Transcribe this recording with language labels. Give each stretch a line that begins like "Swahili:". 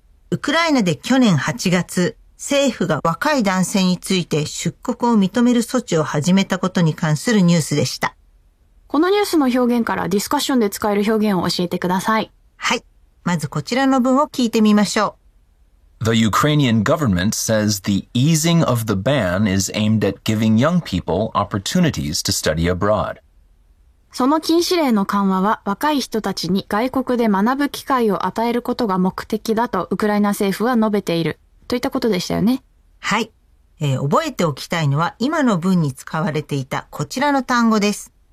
Japanese: ウクライナで去年8月、政府が若い男性について出国を認める措置を始めたことに関するニュースでした。このニュースの表現からディスカッションで使える表現を教えてください。はい、まずこちらの文を聞いてみましょう。
English: The Ukrainian government says the easing of the ban is aimed at giving young people opportunities to study abroad.
Japanese: その禁止令の緩和は若い人たちに外国で学ぶ機会を与えることが目的だとウクライナ政府は述べているといったことでしたよね。はい、覚えておきたいのは今の文に使われていたこちらの単語です。